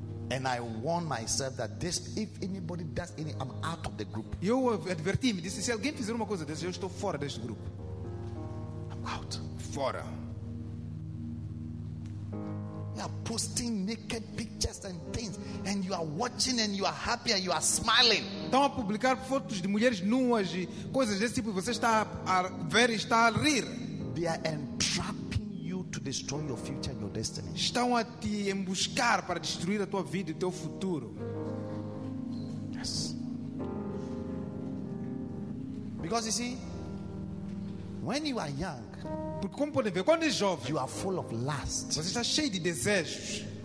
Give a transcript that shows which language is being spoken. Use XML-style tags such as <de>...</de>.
<en>And I warned myself that this, if anybody does anything, I'm out of the group.</en> <pt>Eu adverti-me. Disse, se alguém fizer uma coisa dessa, eu estou fora deste grupo.</pt> <en>I'm out.</en> <pt>Fora.</pt> <en>You are posting naked pictures and things, and you are watching, and you are happy, and you are smiling.</en> <pt>Estão a publicar fotos de mulheres nuas e coisas desse tipo. Você está a ver e está a rir.</pt> <en>They are entrapping you to destroy your future and your destiny.</en> <pt>Estão a te embuscar para destruir a tua vida e teu futuro.</pt> <en>Yes. Because you see, when you are young,</en> <pt>porque como podem ver, quando é jovem,</pt> <en>you are full of lust.</en> <pt>Você está cheio de desejos.</pt>